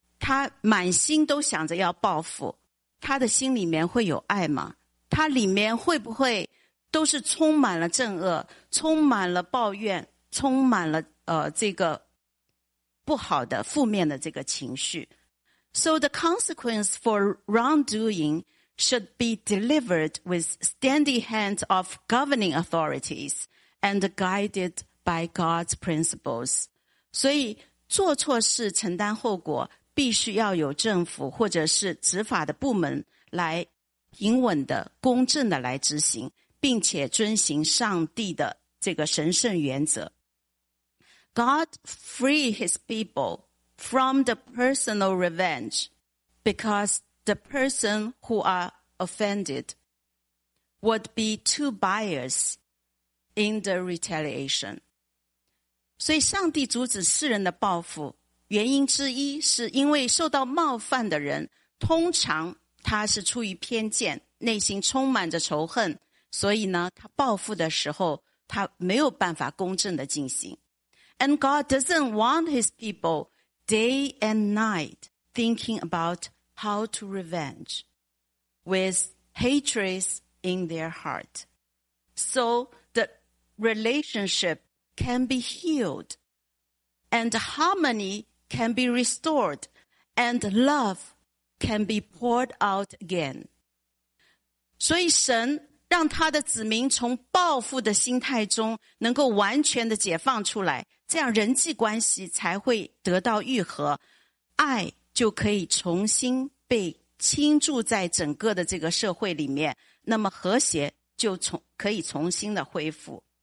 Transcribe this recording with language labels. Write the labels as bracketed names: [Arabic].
[Chinese] 他满心都想着要报复，他的心里面会有爱吗？他里面会不会都是充满了憎恶，充满了抱怨，充满了这个不好的负面的这个情绪？ [English] So the consequence for wrongdoing should be delivered with steady hands of governing authorities and guided by God's principles. [Chinese] 所以做错事承担后果必须要有政府或者是执法的部门来平稳的公正的来执行，并且遵行上帝的这个神圣原则。 [English] God free his people from the personal revenge because the person who are offended would be too biased in the retaliation. [Chinese] 所以上帝阻止世人的报复，原因之一是因为受到冒犯的人通常他是出于偏见，内心充满着仇恨，所以呢他报复的时候他没有办法公正的进行。 [English] And God doesn't want his people day and night thinking about how to revenge with hatreds in their heart. So the relationship can be healed and harmony can be restored and love can be poured out again. [Chinese] 所以神让他的子民从报复的心态中能够完全的解放出来，这样人际关系才会得到愈合，爱就可以重新被倾注在整个的这个社会里面，那么和谐就可以重新的恢复。